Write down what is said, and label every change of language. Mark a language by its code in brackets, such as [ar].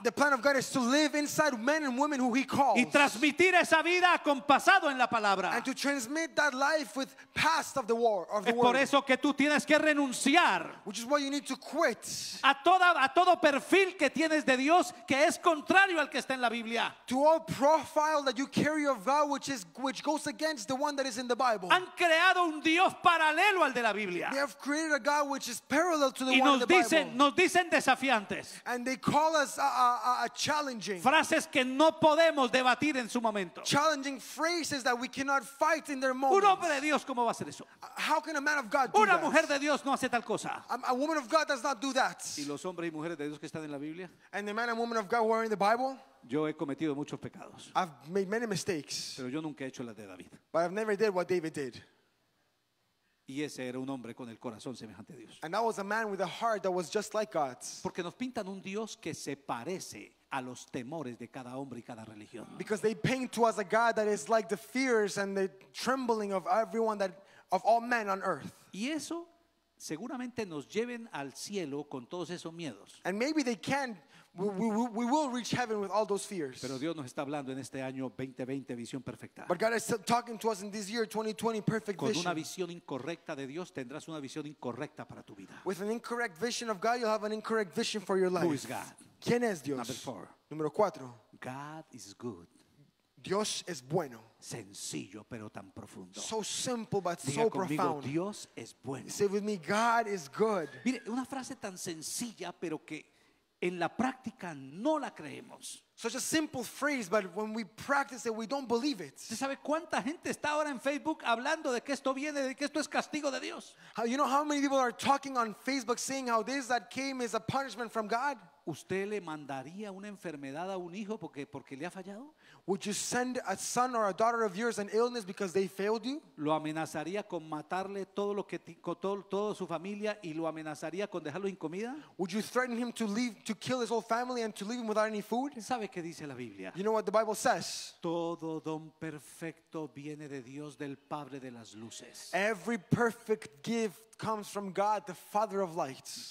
[en] The plan of God is to live inside men and women who he calls. [es] Y transmitir esa vida compasado en la palabra. [en] And to transmit that life with past of the war of the [es] es por eso que tú tienes que renunciar. [en] Which is why you need to quit. [es] A todo perfil que tienes de Dios que es contrario al que está en la Biblia. [en] To all profile that you carry of God which goes against the one that is in the Bible. [es] Han creado un Dios paralelo al de la Biblia. [en] They have created a God which is parallel to the one in the Bible. [es] Nos dicen desafiantes. [en] And they call us challenging. [es] Frases que no podemos debatir en su momento. [en] Challenging phrases that we cannot fight in their moment. [es] Un hombre de Dios cómo va a hacer eso? [en] How can a man of God do that? [es] Una mujer de Dios no hace tal cosa. [en] A woman of God does not do that. [es] ¿Y los hombres y mujeres de Dios que están en la Biblia? [en] And the man and woman of God who are in the Bible? [es] Yo he cometido muchos pecados. [en] I've made many mistakes. [es] Pero yo nunca he hecho las de David. [en] But I've never did what David did. [es] Y ese era un hombre con el corazón semejante a Dios. [en] And that was a man with a heart that was just like God's. [es] Porque nos pintan un Dios que se parece a los temores de cada hombre y cada religión. [en] Because they paint to us a God that is like the fears and the trembling of everyone that of all men on earth. [es] Y eso seguramente nos lleven al cielo con todos esos miedos. [en] And maybe they can. We will reach heaven with all those fears. [es] Pero Dios nos está hablando en este año 2020 visión perfecta. [en] But God is still talking to us in this year 2020 perfect vision. [es] Con una visión incorrecta de Dios tendrás una visión incorrecta para tu vida. [en] With an incorrect vision of God, you'll have an incorrect vision for your life. Who is God? [es] ¿Quién es Dios? [en] Number four. [es] Número cuatro. [en] God is good. [es] Dios es bueno. Sencillo pero tan profundo. [en] So simple but [es] diga [en] so [es] conmigo, [en] profound. [es] Dios es bueno. [en] Say with me, God is good. [es] Mire, una frase tan sencilla pero que en la práctica no la creemos. [en] Such a simple phrase, but when we practice it, we don't believe it. [es] ¿Sabe cuánta gente está ahora en Facebook hablando de que esto viene, de que esto es castigo de Dios? [en] You know how many people are talking on Facebook saying how this that came is a punishment from God? [es] ¿Usted le mandaría una enfermedad a un hijo porque le ha fallado? [en] Would you send a son or a daughter of yours an illness because they failed you? [es] Lo amenazaría con matarle todo lo que toda su familia y lo amenazaría con dejarlo sin comida? [en] Would you threaten him to kill his whole family and to leave him without any food? [es] ¿Sabe qué dice la Biblia? [en] You know what the Bible says? [es] Todo don perfecto viene de Dios, del Padre de las luces. [en] Every perfect gift comes from God, the Father of lights.